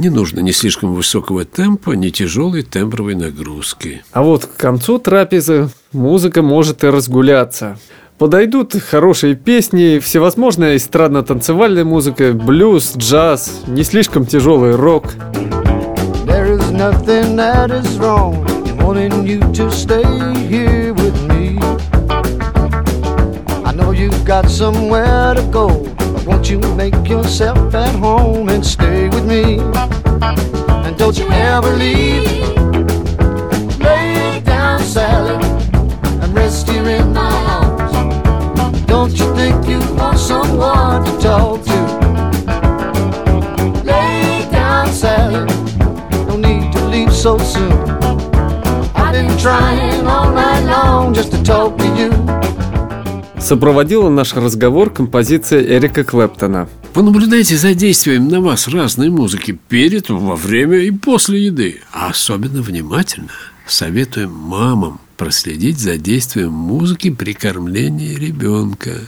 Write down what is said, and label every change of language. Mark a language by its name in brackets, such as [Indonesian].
[Russian] Не нужно ни слишком высокого темпа, ни тяжелой тембровой нагрузки. А вот к концу трапезы музыка может и разгуляться. Подойдут хорошие песни, всевозможная эстрадно-танцевальная музыка, блюз, джаз, не слишком тяжелый рок. [English] There is nothing that is wrong, wanting you to stay here with me. I know you've got somewhere to go. Won't you make yourself at home and stay with me? And don't you ever leave. Lay down, Sally, and rest here in my arms. Don't you think you want someone to talk to? Lay down, Sally, no need to leave so soon. I've been trying all night long just to talk to you. [Russian] Сопроводила наш разговор композиция Эрика Клэптона. Понаблюдайте за действием на вас разной музыки перед, во время и после еды. А особенно внимательно советуем мамам проследить за действием музыки при кормлении ребенка.